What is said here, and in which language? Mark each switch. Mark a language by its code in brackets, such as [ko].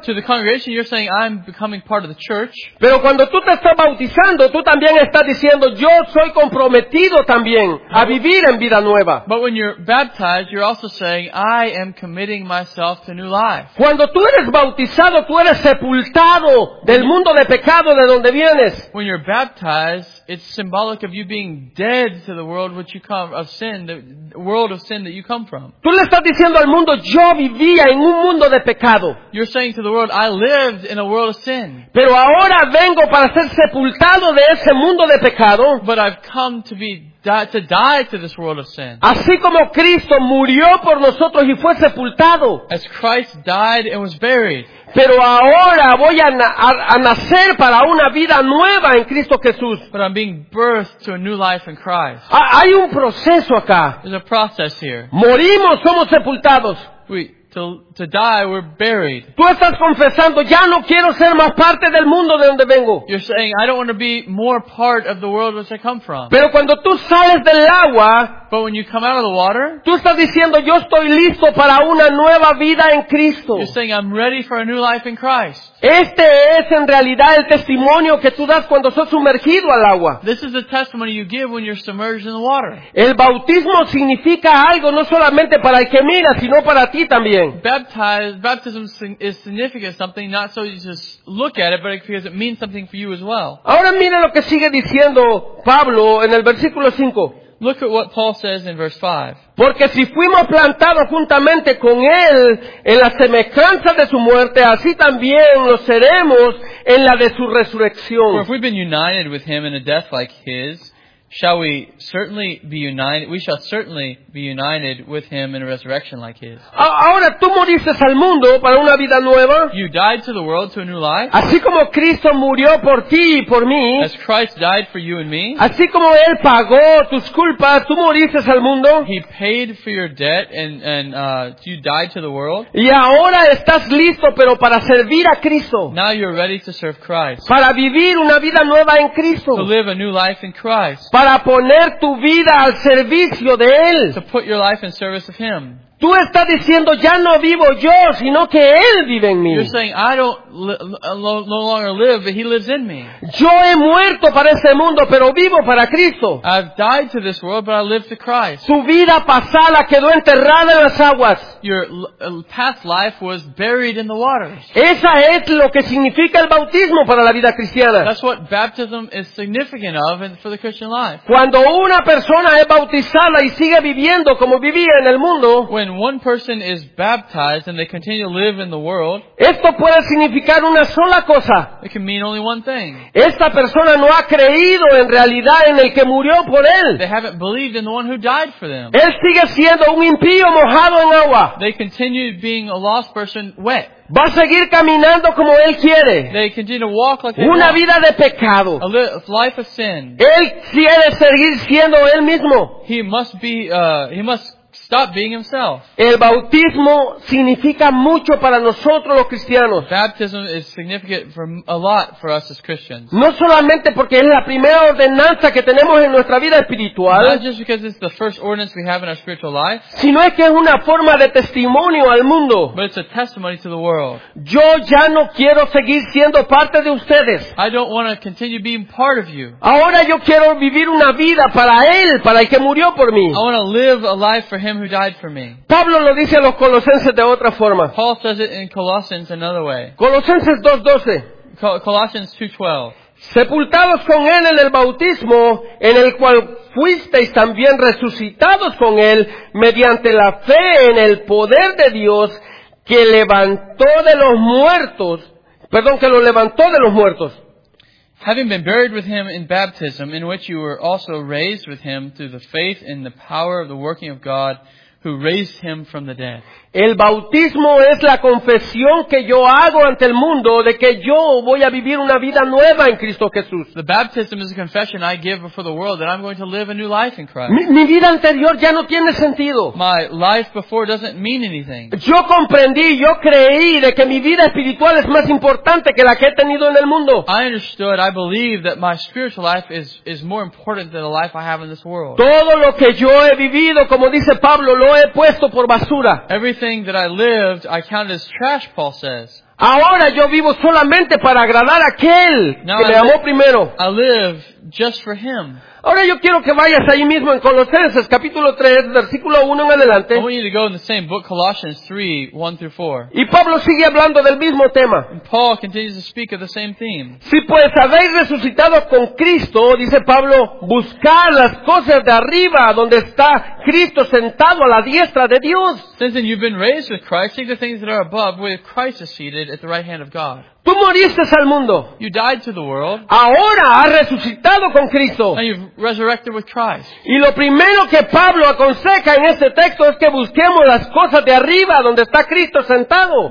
[en] To the congregation, you're saying, I'm becoming part of the church. [es] Pero cuando tú te estás bautizando, tú también estás diciendo, yo soy comprometido también a vivir en vida nueva. [en] But when you're baptized, you're also saying, I am committing myself to new life. [es] Cuando tú eres bautizado, tú eres sepultado del mundo de pecado de donde vienes. [en] When you're baptized, it's symbolic of you being dead to the world which you come of sin, the world of sin that you come from. [es] Tú le estás diciendo al mundo, yo vivía en un mundo de pecado. [en] You're saying to the world, I lived in a world of sin. [es] Pero ahora vengo para ser sepultado de ese mundo de pecado. [en] But I've come to be to die to this world of sin. [es] Así como Cristo murió por nosotros y fue sepultado. [en] As Christ died and was buried. [es] Pero ahora voy a nacer para una vida nueva en Cristo Jesús. [en] But I'm being birthed to a new life in Christ. [es] Hay un proceso acá. [en] There's a process here. [es] Morimos, somos sepultados. [en] We to die, we're buried. [es] Tú estás confesando, ya no quiero ser más parte del mundo de donde vengo. [en] You're saying, I don't want to be more part of the world which I come from. [es] Pero cuando tú sales del agua, [en] but when you come out of the water, [es] tú estás diciendo, yo estoy listo para una nueva vida en Cristo. [en] You're saying, I'm ready for a new life in Christ. [es] Este es en realidad el testimonio que tú das cuando sos sumergido al agua. [en] This is the testimony you give when you're submerged in the water. [es] El bautismo significa algo no solamente para el que mira, sino para ti también. [en] Baptism is significant something, not so you just look at it, but because it means something for you as well. [es] Ahora mira lo que sigue diciendo Pablo en el versículo 5. [en] Look at what Paul says in verse 5. [es] Porque si fuimos plantados juntamente con Él en la semejanza de su muerte, así también lo seremos en la de su resurrección. [en] For if we've been united with Him in a death like His, shall we certainly be united? We shall certainly be united with Him in a resurrection like His. [es] Ahora tú moriste al mundo para una vida nueva. [en] You died to the world to a new life. [es] Así como Cristo murió por ti y por mí. [en] As Christ died for you and me. [es] Así como Él pagó tus culpas, tú moriste al mundo. [en] He paid for your debt and you died to the world. [es] Y ahora estás listo, pero para servir a Cristo. [en] Now you're ready to serve Christ. [es] Para vivir una vida nueva en Cristo. [en] To live a new life in Christ. [es] Para poner tu vida al servicio de Él. [en] To put your life in service of Him. [es] Tú estás diciendo, ya no vivo yo, sino que Él vive en mí. [en] You're saying, I don't no longer live, but He lives in me. [es] Yo he muerto para este mundo, pero vivo para Cristo. [en] I've died to this world, but I live to Christ. [es] Su vida pasada quedó enterrada en las aguas. [en] Your past life was buried in the waters. [es] Esa es lo que significa el bautismo para la vida cristiana. [en] That's what baptism is significant of for the Christian life. [es] Cuando una persona es bautizada y sigue viviendo como vivía en el mundo, [en] when one person is baptized and they continue to live in the world, [es] esto puede significar una sola cosa. [en] It can mean only one thing. [es] Esta persona no ha creído en realidad en el que murió por él. [en] They haven't believed in the one who died for them. [es] Él sigue siendo un impío mojado en agua. [en] They continue being a lost person wet. [es] Va a seguir caminando como Él quiere. [en] They continue to walk like they [es] una [en] walk. [es] Vida de pecado. [en] A life of sin. [es] Él quiere seguir siendo Él mismo. [en] He must stop being himself. [es] El bautismo significa mucho para nosotros los cristianos. [en] Baptism is significant for a lot for us as Christians. [es] No solamente porque es la primera ordenanza que tenemos en nuestra vida espiritual. [en] Not just because it's the first ordinance we have in our spiritual life. [es] Sino es que es una forma de testimonio al mundo. [en] But it's a testimony to the world. [es] Yo ya no quiero seguir siendo parte de ustedes. [en] I don't want to continue being part of you. [es] Ahora yo quiero vivir una vida para Él, para el que murió por mí. [en] I want to live a life for Him who died for me. [es] Pablo lo dice a los Colosenses de otra forma. [en] Paul says it in Colossians another way. [es] Colosenses 2:12. [en] Colossians 2:12. [es] Sepultados con él en el bautismo, en el cual fuisteis también resucitados con él mediante la fe en el poder de Dios que levantó de los muertos. Perdón, que lo levantó de los muertos. [en] Having been buried with him in baptism, in which you were also raised with him through the faith and the power of the working of God, who raised him from the dead. [es] El bautismo es la confesión que yo hago ante el mundo de que yo voy a vivir una vida nueva en Cristo Jesús. [en] The baptism is a confession I give before the world that I'm going to live a new life in Christ. [es] Mi vida anterior ya no tiene sentido. [en] My life before doesn't mean anything. [es] Yo comprendí, yo creí de que mi vida espiritual es más importante que la que he tenido en el mundo. [en] I understood, I believe that my spiritual life is more important than the life I have in this world. [es] Todo lo que yo he vivido, como dice Pablo, lo he puesto por basura. [en] Everything that I lived, I counted as trash, Paul says. [es] Ahora yo vivo solamente para agradar a aquel [en] Now [es] que me amó primero. [en] I live just for him. [es] Ahora yo quiero que vayas ahí mismo en Colosenses, capítulo 3, versículo 1 en adelante. [en] I want you to go in the same book, Colossians 3, 1 through 4. [es] Y Pablo sigue hablando del mismo tema. [en] And Paul continues to speak of the same theme. [es] Si pues habéis resucitado con Cristo, dice Pablo, buscad las cosas de arriba, donde está Cristo sentado a la diestra de Dios. [en] Since then you've been raised with Christ, seek the things that are above, where Christ is seated at the right hand of God. [es] Tú moriste al mundo. [en] You died to the world. [es] Ahora has resucitado con Cristo. [en] And you've resurrected with Christ. [es] Y lo primero que Pablo aconseja en este texto es que busquemos las cosas de arriba, donde está Cristo sentado.